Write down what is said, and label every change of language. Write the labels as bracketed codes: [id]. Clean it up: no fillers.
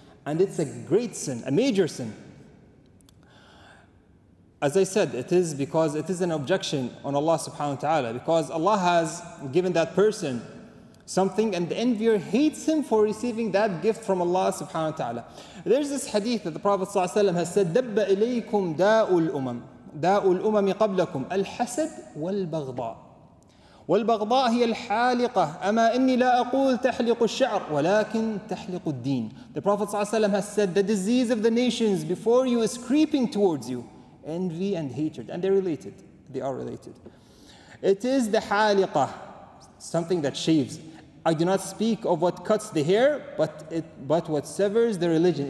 [en] And it's a great sin, a major sin. As I said, it is because it is an objection on Allah subhanahu wa ta'ala, because Allah has given that person something and the envier hates him for receiving that gift from Allah subhanahu wa ta'ala. There's this hadith that the Prophet sallallahu alaihi wasallam has said, [ar] دَبَّ إِلَيْكُمْ دَاءُ الْأُمَمِ قَبْلَكُمْ الْحَسَدْ وَالْبَغْضَاءِ وَالْبَغْضَاءِ هِيَ الْحَالِقَةِ أَمَا إِنِّي لَا أَقُولْ تَحْلِقُ الشَّعْرِ وَلَكِنْ تَحْلِقُ الدِّينِ. [en] The Prophet sallallahu alaihi wasallam has said, the disease of the nations before you is creeping towards you. Envy and hatred, and they're related. They are related. It is the haliqah, something that shaves. I do not speak of what cuts the hair, but what severs the religion.